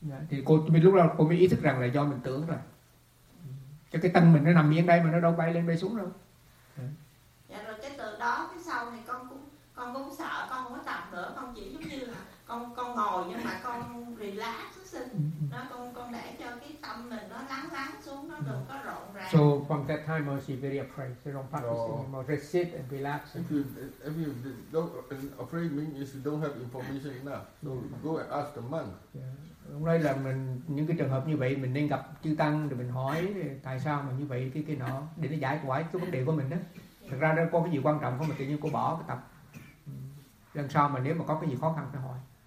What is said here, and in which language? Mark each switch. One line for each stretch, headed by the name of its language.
Vietnamese: Thì lúc đó cô mới ý thức rằng là do mình tưởng rồi. Cho cái tâm mình nó nằm yên đây mà nó đâu bay lên bay xuống đâu. Dạ rồi cái từ đó cái sau này con cũng sợ, con không có tập nữa, con chỉ giống như là con ngồi nhưng mà con relax xuất sinh. Nó con để cho cái tâm mình nó lắng xuống, nó đừng có rộn ràng.
English: So from that time on she very afraid, she don't practice anymore, just sit and relax. If you don't afraid means you don't have information enough, so go and ask the monk. Yeah.
Vietnamese: Hôm nay là mình những cái trường hợp như vậy mình nên gặp chư tăng rồi mình hỏi tại sao mà như vậy cái nọ để nó giải quyết cái vấn đề của mình đó. Thật ra nó có cái gì quan trọng không mà tự nhiên cô bỏ cái tập. Lần sau mà nếu mà có cái gì khó khăn thì hỏi.